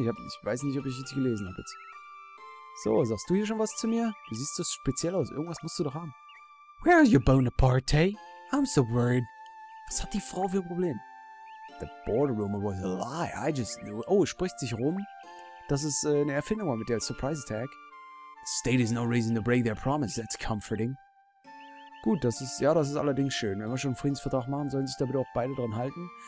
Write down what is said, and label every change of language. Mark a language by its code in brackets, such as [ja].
[de] Ich weiß nicht, ob ich richtig gelesen habe jetzt. So, sagst du hier schon was zu mir? Du siehst so speziell aus. Irgendwas musst du doch haben. [en] Where are you, Bonaparte? I'm so worried. [de] Was hat die Frau für ein Problem? [en] The border rumor was a lie. I just knew it. [de] Oh, es spricht sich rum, dass es eine Erfindung war mit der Surprise Attack. [en] The state is no reason to break their promise. That's comforting. [de] Gut, das ist... Ja, das ist allerdings schön. Wenn wir schon einen Friedensvertrag machen, sollen sich da bitte auch beide dran halten.